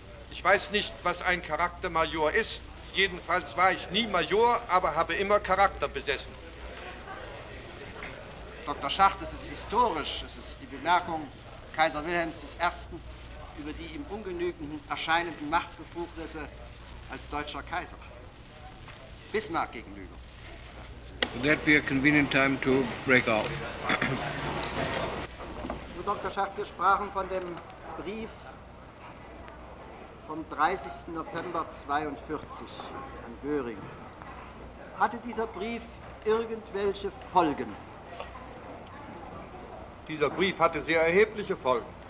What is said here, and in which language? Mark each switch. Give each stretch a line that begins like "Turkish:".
German: Ich weiß nicht, was ein Charaktermajor ist. Jedenfalls war ich nie Major, aber habe immer Charakter besessen. Dr. Schacht, es ist historisch, es ist die Bemerkung Kaiser Wilhelms I. über die ihm ungenügenden erscheinenden Machtbefugnisse als deutscher Kaiser. Bismarck gegenüber.
English: Would that be a convenient time to break off?
German: Dr. Schacht, wir sprachen von dem Brief vom 30. November 1942 an Göring. Hatte dieser Brief irgendwelche Folgen? Dieser Brief hatte sehr erhebliche Folgen.